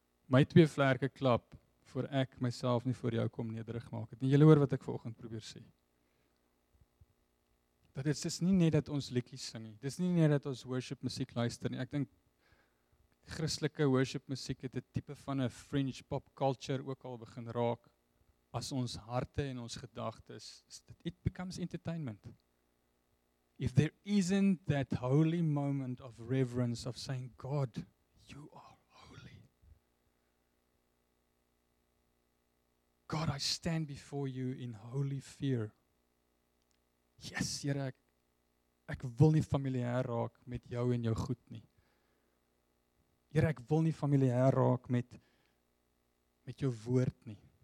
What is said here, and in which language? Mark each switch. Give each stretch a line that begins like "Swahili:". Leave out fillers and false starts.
Afrikaans: My twee vlerke klap, voor ek myself nie voor jou kom nederig maak het. En jy hoor wat ek vanoggend probeer sê. Dat dit is nie net dat ons liedjies sing nie. Dis nie net dat ons worship musiek luister nie. Ek dink Christelike worship musiek het 'n tipe van 'n fringe pop culture ook al begin raak. As ons harte en ons gedagtes,
English: it becomes entertainment. If there isn't that holy moment of reverence of saying God, you are God, I stand before you in holy fear.
Afrikaans: Yes, Here, ek wil nie familiaar raak met jou en jou goed nie. Here, ek wil nie familiaar raak met jou woord nie.